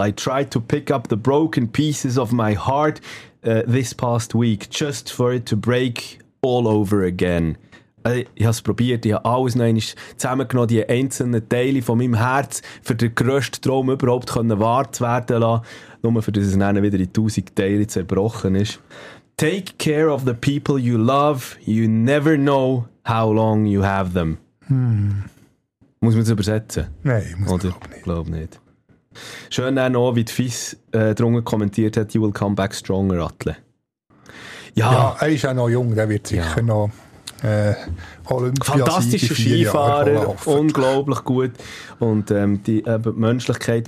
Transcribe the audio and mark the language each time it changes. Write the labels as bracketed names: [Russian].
[English] I tried to pick up the broken pieces of my heart this past week, just for it to break all over again. [German] Ich habe es probiert, ich habe alles noch einmal zusammengenommen, die einzelnen Teile von meinem Herz, für den grössten Traum überhaupt wahr zu werden lassen, nur für das es dann wieder in tausend Teile zerbrochen ist. [English] Take care of the people you love, you never know how long you have them. Hmm. [German] Muss man das übersetzen? Nein, muss man nicht. Glaube nicht. Schön dann auch, wie die Fies drunter kommentiert hat, [English] you will come back stronger, [German] Atle. Ja, ja, er ist auch noch jung, der wird sicher ja noch Olympia fantastischer Skifahrer, unglaublich gut. Und die Menschlichkeit.